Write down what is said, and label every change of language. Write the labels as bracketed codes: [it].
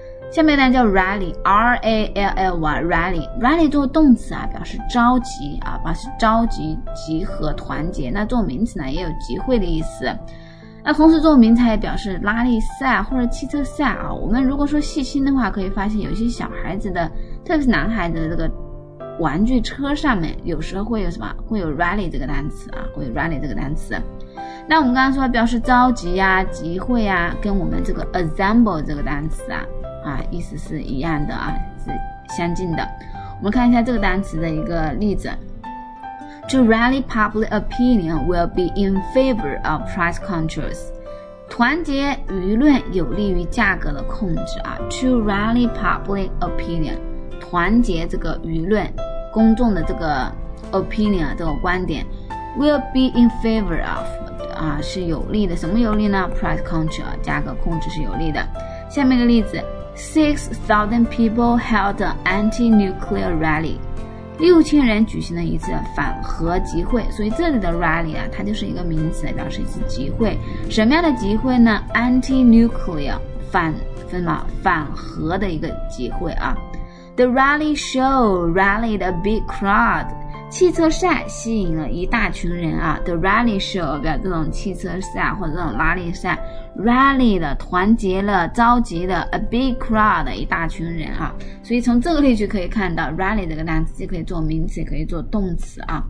[zh] 下面呢叫 rally R-A-L-L-Y rally rally 做动词表示召集表示召集集合团结，那做名词呢也有集会的意思，那同时做名词也表示拉力赛或者汽车赛我们如果说细心的话可以发现有些小孩子的特别是男孩子的这个玩具车上面有时候会有什么会有 rally 这个单词会有 rally 这个单词。那我们刚刚说表示召集集会跟我们这个 assemble 这个单词意思是一样的是相近的。我们看一下这个单词的一个例子。 [en] To rally public opinion will be in favor of price controls [zh] 团结舆论有利于价格的控制 [en] To rally public opinion [zh] 团结这个舆论公众的这个 opinion 这个观点 [en] will be in favor of [zh] 是有利的，什么有利呢？ price control 价格控制是有利的。下面一个例子 [en] 6,000 people held an anti-nuclear rally [zh] 6,000人举行了一次反核集会，所以这里的 rally 它就是一个名词表示一次集会。什么样的集会呢？anti-nuclear 反核的一个集会 [en] The rally show rallied a big crowd [zh] 汽车赛吸引了一大群人 [en] The rally show [zh] 表示这种汽车赛或者这种拉力赛rally 的团结了召集了 [en] a big crowd [zh] 的一大群人所以从这个例句可以看到 rally 这个单词既可以做名词也可以做动词